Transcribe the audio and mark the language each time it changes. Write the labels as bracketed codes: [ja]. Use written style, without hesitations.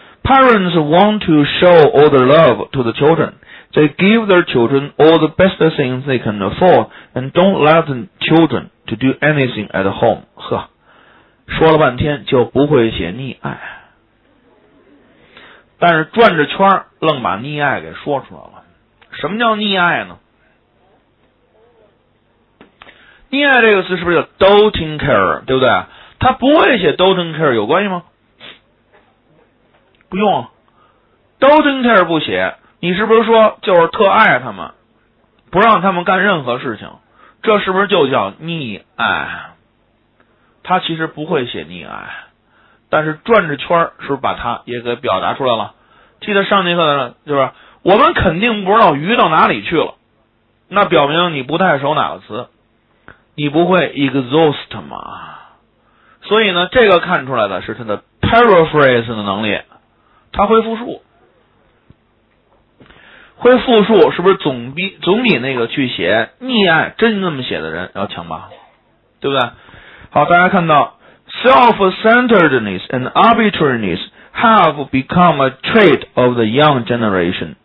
[en] Parents want to show all the love to the children. They give their children all the best things they can afford and don't let the children to do anything at home. [zh] 呵，说了半天就不会写溺爱，但是转着圈愣把溺爱给说出来了。什么叫溺爱呢？溺爱这个词是不是叫 doting care， 对不对？他不会写 doting care 有关系吗？不用啊， doting care 不写，你是不是说就是特爱他们，不让他们干任何事情，这是不是就叫溺爱？他其实不会写溺爱，但是转着圈是不是把他也给表达出来了？记得上节课的时候，就是我们肯定不知道鱼到哪里去了，那表明你不太熟哪个词，你不会 exhaust 吗？所以呢，这个看出来的是他的 paraphrase 的能力，他会复述，会复述是不是总比那个去写溺爱真那么写的人要强吧？对不对？ [en] 好，大家看到 self-centeredness and arbitrariness have become a trait of the young generation。